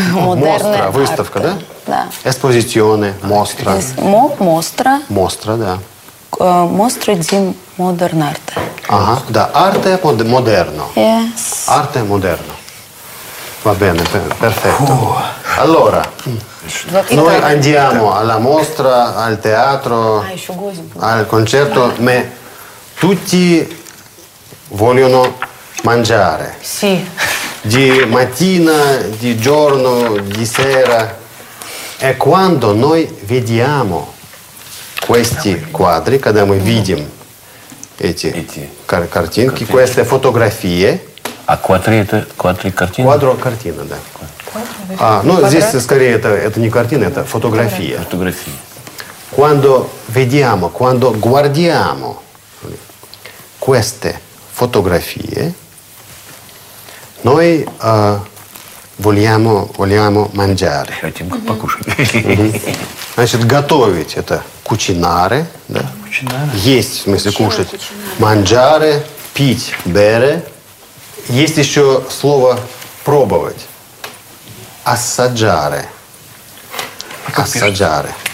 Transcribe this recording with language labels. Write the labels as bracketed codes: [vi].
[it] Mostra, выставка, да? [ru] Да. [it] Esposizione, mostra. Mostra. Mostra, да. Mostra di modern arte. Ага, да, arte moderno. [en] Yes. [it] Arte moderno. Va bene, perfetto. Allora, noi andiamo alla mostra, al teatro, al concerto, ma tutti vogliono mangiare. Sì. Di mattina, di giorno, di sera. E quando noi vediamo questi quadri, quando noi vediamo [ru] эти картинки, [it] queste fotografie. [ru] А квадри это квадри картины? Квадро картина, да. А, ну, здесь скорее это не картина, это фотография. Фотография. [it] Quando vediamo, quando guardiamo queste fotografie, noi vogliamo mangiare. [ru] Хотим покушать. Значит, готовить это кучинаре, да? Есть, в смысле кушать. Манджаре, пить, бере. Есть еще слово пробовать. [it] Ассаджаре. Ассаджаре.